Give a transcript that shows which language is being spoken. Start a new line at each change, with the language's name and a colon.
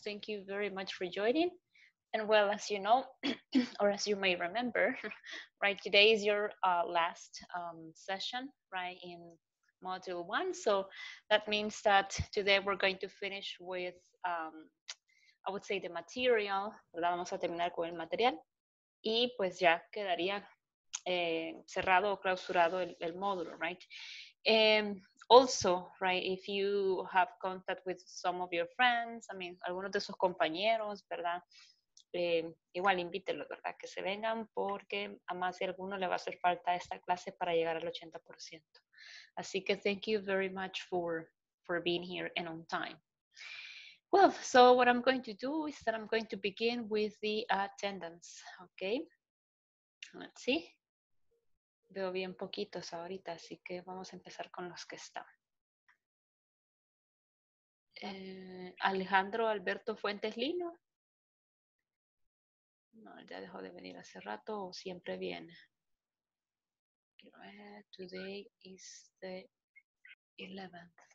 English: Thank you very much for joining. And well, as you know, or as you may remember, right, today is your last session, right, in module one. So that means that today we're going to finish with, I would say, the material.
Spanish: ¿Verdad? Vamos a terminar con el material. Y pues ya quedaría cerrado o clausurado el módulo, right?
English: Also, right, if you have contact with some of your friends, I mean,
Spanish: algunos de sus compañeros, ¿verdad? Igual invítelos, ¿verdad? Que se vengan porque a más de alguno le va a hacer falta esta clase para llegar al 80%. Así que
English: thank you very much for being here and on time. Well, so what I'm going to do is that I'm going to begin with the attendance, okay? Let's see.
Spanish: Veo bien poquitos ahorita, así que vamos a empezar con los que están. Alejandro Alberto Fuentes Lino. No, ya dejó de venir hace rato o siempre viene. Quiero ver,
English: today is the 11th.